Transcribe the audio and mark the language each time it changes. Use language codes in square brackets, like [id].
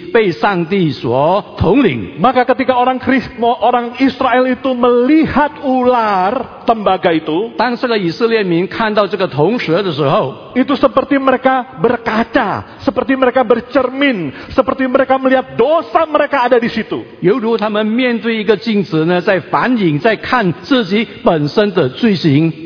[zh] 是象征了，如果他们倾向这个法老王，表示他们比较喜欢被法老王统治，以及被上帝所统领。 [id] Maka ketika orang orang Israel itu melihat ular tembaga itu, [zh] 当这个以色列民看到这个铜蛇的时候， [id] itu seperti mereka berkaca, seperti mereka bercermin, seperti mereka melihat dosa mereka ada di situ. [zh] 他们面对一个镜子呢，在反省，在看自己本身的罪行。